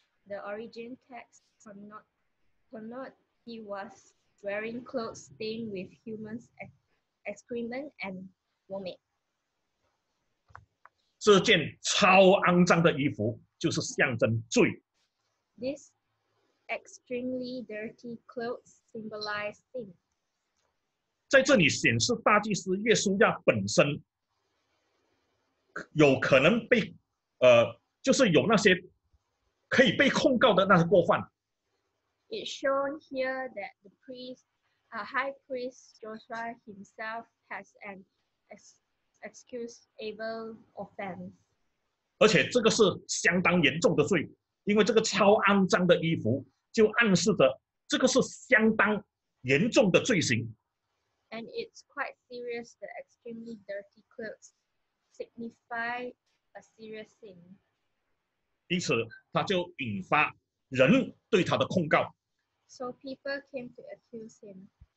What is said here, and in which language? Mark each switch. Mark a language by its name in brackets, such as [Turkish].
[English] The origin text connot he was wearing clothes stained with human excrement and vomit. [Chinese] 这件超肮脏的衣服就是象征罪。 [English] These extremely dirty clothes symbolize sin. [Chinese] 在这里显示大祭司耶稣亚本身有可能被就是有那些可以被控告的那些过犯。 [English] It's shown here that the priest, a high priest Joshua himself has an excusable offense. [Chinese] 而且这个是相当严重的罪，因为这个超肮脏的衣服就暗示着这个是相当严重的罪行。 [English] And it's quite serious, the extremely dirty clothes signify a serious sin. [Chinese] 因此他就引发人对他的控告。 [English] So people came to accuse him.